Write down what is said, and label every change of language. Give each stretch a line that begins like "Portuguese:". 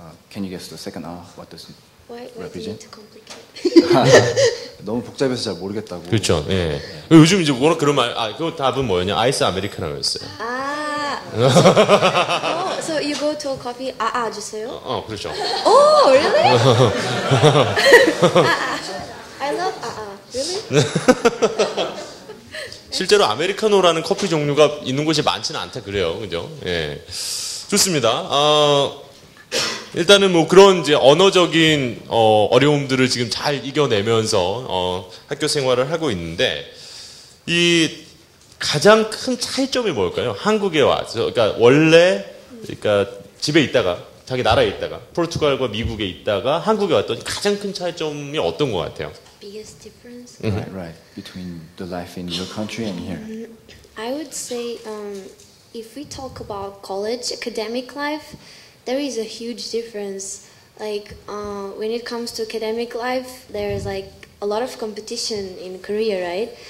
English: Can you guess the second R? What does it represent? Why do you need to complicate?
Korean: 너무 복잡해서 잘 모르겠다고. 그렇죠. 예. 요즘 이제 워낙 그런 말, 그 답은 뭐였냐? 아이스 아메리카노였어요. 아.
English: So you go to a coffee
Korean: 아아 주세요? 그렇죠.
English: Oh, really? 아아. I love 아아. Really?
Korean: 실제로 아메리카노라는 커피 종류가 있는 곳이 많지는 않다 그래요. 그죠? 예. 좋습니다. 일단은 뭐 그런 이제 언어적인 어려움들을 지금 잘 이겨내면서 학교 생활을 하고 있는데 이 가장 큰 차이점이 뭘까요? 한국에 와서 그러니까 원래 그러니까 집에 있다가 자기 나라에 있다가 포르투갈과 미국에 있다가 한국에 왔더니 가장 큰 차이점이 어떤 것 같아요?
English: Biggest difference right, right between the life in your country and here. I would say if we talk about college academic life, there is a huge difference. Like when it comes to academic life, there is like a lot of competition in Korea, right?